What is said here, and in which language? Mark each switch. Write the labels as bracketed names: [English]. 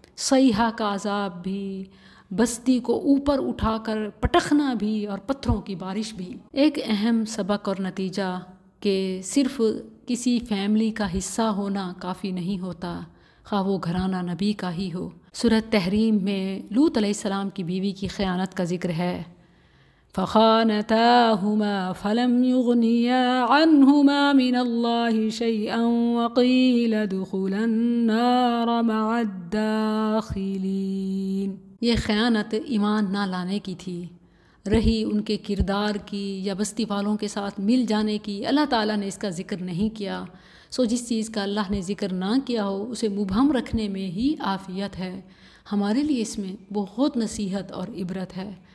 [Urdu] صیحہ کا عذاب بھی، بستی کو اوپر اٹھا کر پٹخنا بھی، اور پتھروں کی بارش بھی۔ ایک اہم سبق اور نتیجہ کہ صرف کسی فیملی کا حصہ ہونا کافی نہیں ہوتا، خواہ وہ گھرانہ نبی کا ہی ہو۔ سورۃ تحریم میں لوط علیہ السلام کی بیوی کی خیانت کا ذکر ہے، [Arabic] فخانتاهما فلم يغنيا عنهما من الله شيئا وقيل ادخلا النار مع الداخلين۔ [Urdu] یہ خیانت ایمان نہ لانے کی تھی، رہی ان کے کردار کی یا بستی والوں کے ساتھ مل جانے کی، اللہ تعالیٰ نے اس کا ذکر نہیں کیا۔ سو جس چیز کا اللہ نے ذکر نہ کیا ہو اسے مبہم رکھنے میں ہی عافیت ہے، ہمارے لیے اس میں بہت نصیحت اور عبرت ہے۔